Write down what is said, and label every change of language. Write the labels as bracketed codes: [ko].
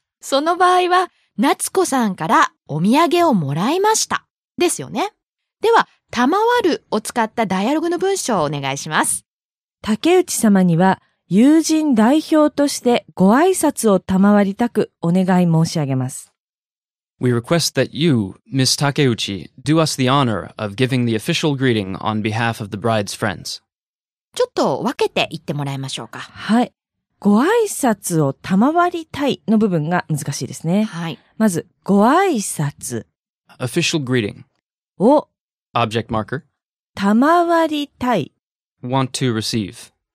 [ja] その場合は、夏子さんからお土産をもらいましたですよね。では、賜るを使ったダイアログの文章をお願いします。竹内様には友人代表としてご挨拶を賜りたくお願い申し上げます。 [en] We request that you, Miss Takeuchi, do us the honor of giving the official greeting on behalf of the bride's friends. [ja] ちょっと分けて言ってもらいましょうか。はい。ご挨拶を賜りたいの部分が難しいですね。はい。まず、ご挨拶。 [en] Official greeting. [ja] を。 [en] Object marker. [ja] 賜りたい。 [en] Want to receive.